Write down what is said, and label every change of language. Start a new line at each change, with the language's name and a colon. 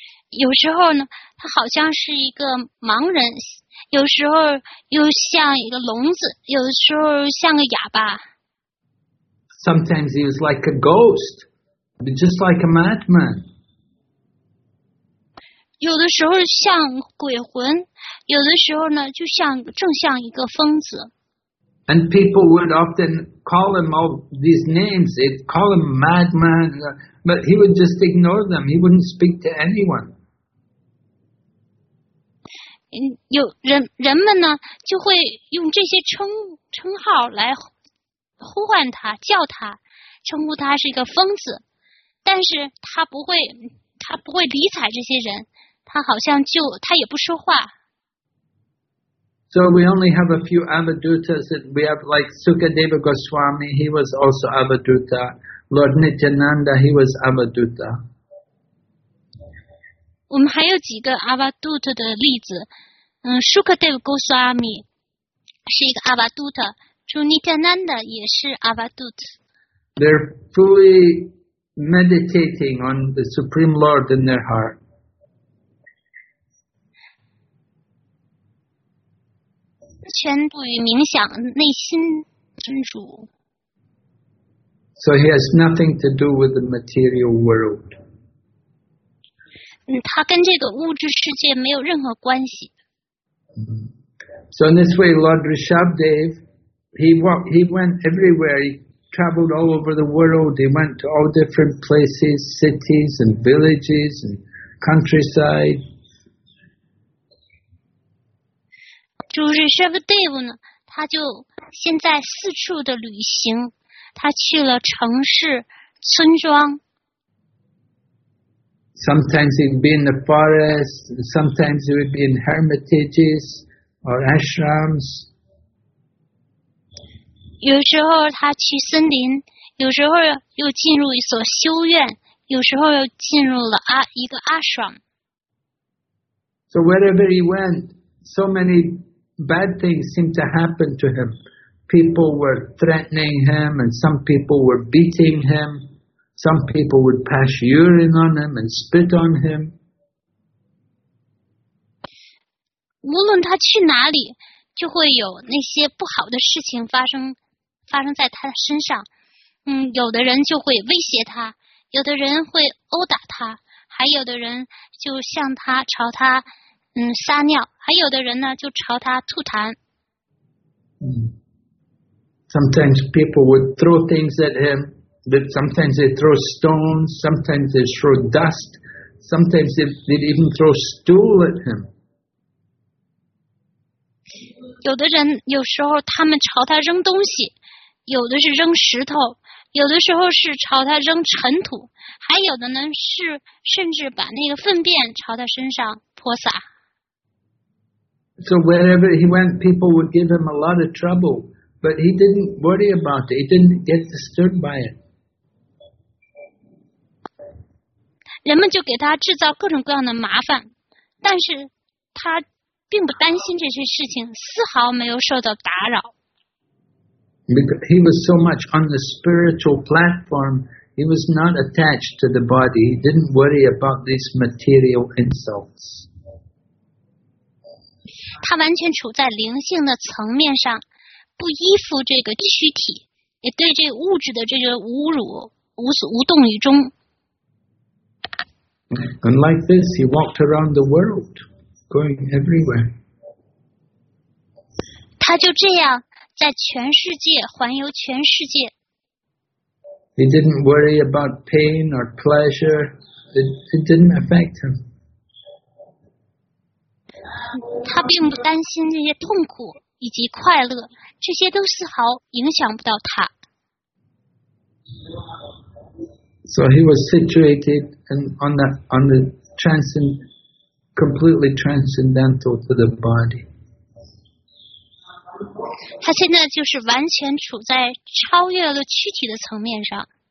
Chinese: 有时候呢，他好像是一个盲人。有时候又像一个聋子，有时候像个哑巴。
English: Sometimes he was like a ghost, just like a madman.
Chinese: 有的时候像鬼魂，有的时候呢就像正像一个疯子。
English: And people would often call him all these names. They'd call him madman, but he would just ignore them. He wouldn't speak to anyone.
Chinese: 有 人们呢就会用这些 称号来呼唤他，叫他，称呼他是一个疯子，但是他不会理睬这些人，他好像就他也不说话。
English: So we only have a few Avadutas. We have like Sukadeva Goswami, he was also Avaduta. Lord Nityananda, he was Avaduta.
Chinese: 我们还有几个 Avaduta 的例子。Sukadeva Goswami 是一个 Avaduta， 主 Nityananda 也是 Avaduta。
English: They're fully meditating on the Supreme Lord in their heart.
Chinese: 全部于冥想内心真主。
English: So he has nothing to do with the material world.
Chinese: 他跟这个物质世界没有任何关系。
English: So in this way, Lord Rishabhdev, he went everywhere. He traveled all over the world. He went to all different places, cities and villages and countryside.
Chinese: 主 Rishabhdev 呢，他就现在四处的旅行，他去了城市、村庄。
English: Sometimes he'd be in the forest, sometimes he would be in hermitages or ashrams.
Chinese: 有时候他去森林，有时候又进入一所修院，有时候又进入了一个 ashram.
English: So wherever he went, so many bad things seemed to happen to him. People were threatening him, and some people were beating him. Some people would pass urine on him and spit on him.
Chinese: 无论他去哪里，就会有那些不好的事情发生在他身上。有的人就会威胁他，有的人会殴打他，还有的人就向他朝他撒尿，还有的人呢就朝他吐痰。
English: Sometimes people would throw things at him. That sometimes they throw stones. Sometimes they throw dust. Sometimes they'd even throw stool at him.
Chinese: 有的人有时候他们朝他扔东西，有的是扔石头，有的时候是朝他扔尘土，还有的呢是甚至把那个粪便朝他身上泼洒。
English: So wherever he went, people would give him a lot of trouble, but he didn't worry about it. He didn't get disturbed by it.
Chinese: 人们就给他制造各种各样的麻烦，但是他并不担心这些事情，丝毫没有受到打扰。
English: Because he was so much on the spiritual platform, he was not attached to the body. He didn't worry about these material insults.
Chinese: 他完全处在灵性的层面上，不依附这个躯体，也对这物质的这个侮辱无动于衷。
English: And like this, he walked around the world, going everywhere.
Chinese: 他就这样在全世界环游全世界。
English: He didn't worry about pain or pleasure. It didn't affect him.
Chinese: 他并不担心这些痛苦以及快乐，这些都丝毫影响不到他。
English: So he was situated on the completely transcendental to the body.
Chinese: 他现在就是完全处在超越了躯体的层面上。